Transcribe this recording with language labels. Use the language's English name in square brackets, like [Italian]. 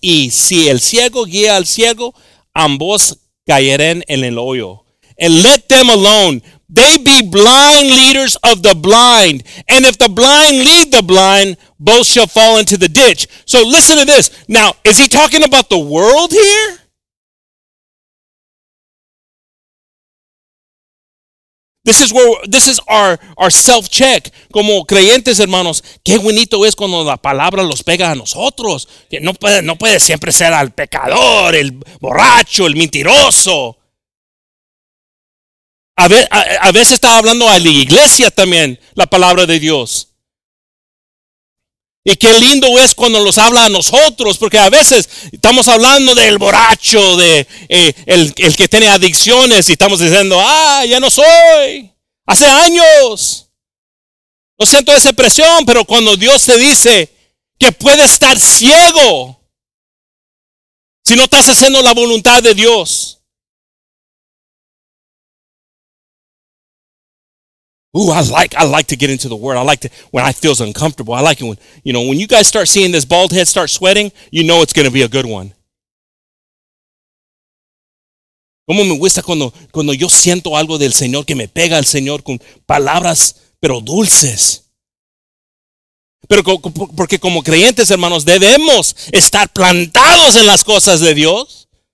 [Spanish] Y si el ciego guía al ciego, ambos caerán en el hoyo. [English] And let them alone. They be blind leaders of the blind. And if the blind lead the blind, both shall fall into the ditch. So listen to this. Now, is he talking about the world here? This is our self-check. [Spanish] Como creyentes, hermanos, qué bonito es cuando la palabra los pega a nosotros. Que no puede siempre ser al pecador, el borracho, el mentiroso. A veces está hablando a la iglesia también, la palabra de Dios. Y qué lindo es cuando los habla a nosotros, porque a veces estamos hablando del borracho, de el que tiene adicciones, y estamos diciendo, ah, ya no soy, hace años. No siento esa presión, pero cuando Dios te dice que puedes estar ciego, si no estás haciendo la voluntad de Dios. [English] Ooh, I like to get into the word. I like to, when I feel uncomfortable, I like it when, you know, when you guys start seeing this bald head start sweating, you know it's going to be a good one. [Spanish] Como me gusta cuando yo siento algo del Señor, que me pega el Señor con palabras, pero dulces. Pero porque como creyentes, hermanos, debemos estar plantados en las cosas de Dios.